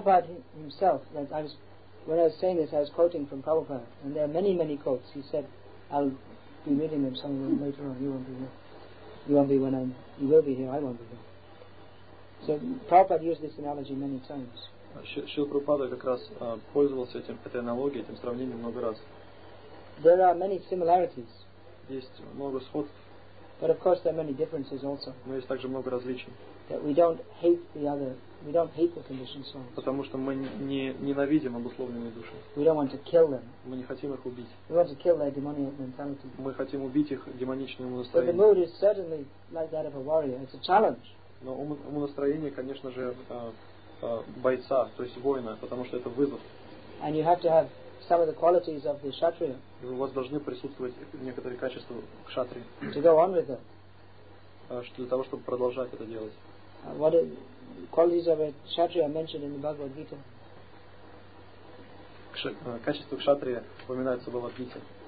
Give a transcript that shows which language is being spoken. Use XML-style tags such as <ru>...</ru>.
<en>Prabhupada himself, when I was saying this, I was quoting from Prabhupada, and there are many quotes. He said, "I'll be meeting him somewhere later on. You will be here. I won't be here." So Prabhupada used this analogy many times.</en> <ru>Шрила Прабхупада как раз пользовался этим, этой аналогией, этим сравнением много раз.</ru> <en>There are many similarities.</en> <ru>Есть много сходств.</ru> <en>But of course there are many differences also.</en> <ru>Но есть также много различий.</ru> <en>That we don't hate the other, we don't hate the conditioned souls.</en> <ru>Потому что мы не ненавидим обусловленные души.</ru> <en>We don't want to kill them.</en> <ru>Мы не хотим их убить.</ru> <en>We want to kill their demonic mentality.</en> <ru>Мы хотим убить их демоничное умонастроение.</ru> <en>But the mood is certainly like that of a warrior. It's a challenge.</en> <ru>Но умонастроение, конечно же, бойца, то есть воина, потому что это вызов.</ru> <en>And you have to have some of the qualities of the kshatriya.</en> <ru>И у вас должны присутствовать некоторые качества кшатри.</ru> <en>To go on with it.</en> <ru>Для того, чтобы продолжать это делать.</ru> <en>What qualities of a kshatriya mentioned in the Bhagavad Gita?</en> <ru>Качества кшатрия упоминаются в Бхагавад Гите.</ru>